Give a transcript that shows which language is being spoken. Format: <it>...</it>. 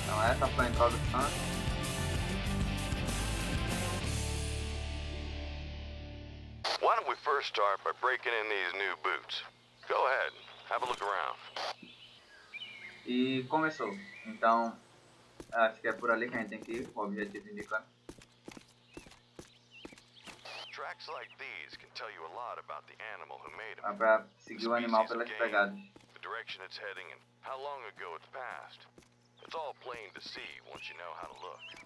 <pt>Essa foi a introdução.</pt> <en>Why don't we first start by breaking in these new boots? Go ahead, have a look around.</en> <pt>E começou. Então, acho que é por ali que a gente tem que ir, o objetivo indicando.</pt> <en>Tracks like these can tell you a lot about the animal who made them.</en> <pt>Pra seguir o animal pelas pegadas.</pt> <en>The direction it's heading and how long ago it passed. It's all plain to see once you know how to look.</en>